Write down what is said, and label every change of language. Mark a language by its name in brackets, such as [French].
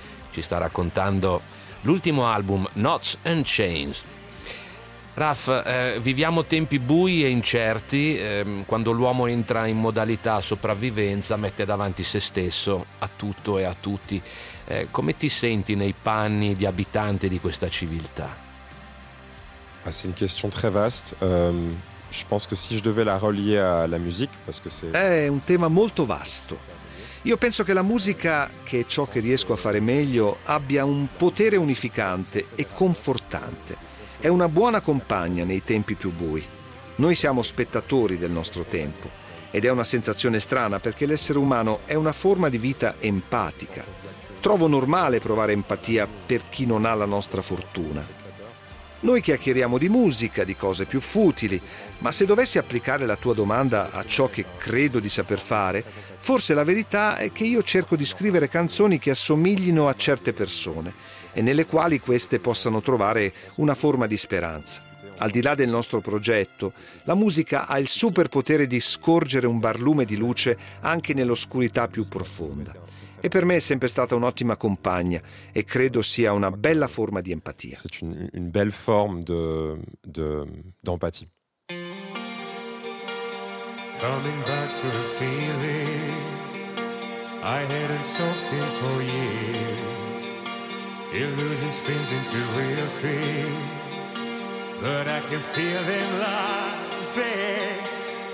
[Italian] Ci sta raccontando l'ultimo album, Knots and Chains. Raph, viviamo tempi bui e incerti. Quando l'uomo entra in modalità sopravvivenza, mette davanti se stesso a tutto e a tutti. Come ti senti nei panni di abitante di questa civiltà? [French] Ah, c'est une question très vaste. Je pense que si je devais la relier à la musique, parce que c'est... [Italian] È un tema molto vasto. Io penso che la musica, che è ciò che riesco a fare meglio, abbia un potere unificante e confortante. È una buona compagna nei tempi più bui. Noi siamo spettatori del nostro tempo. Ed è una sensazione strana, perché l'essere umano è una forma di vita empatica. Trovo normale provare empatia per chi non ha la nostra fortuna. Noi chiacchieriamo di musica, di cose più futili, ma se dovessi applicare la tua domanda a ciò che credo di saper fare, forse la verità è che io cerco di scrivere canzoni che assomiglino a certe persone e nelle quali queste possano trovare una forma di speranza. Al di là del nostro progetto, la musica ha il superpotere di scorgere un barlume di luce anche nell'oscurità più profonda. E per me è sempre stata un'ottima compagna e credo sia una bella forma di empatia. [French] C'est une belle forme d'empathie. [English] Coming back to a feeling I hadn't soaked in for years. Illusion spins into real things, but I can feel them like this.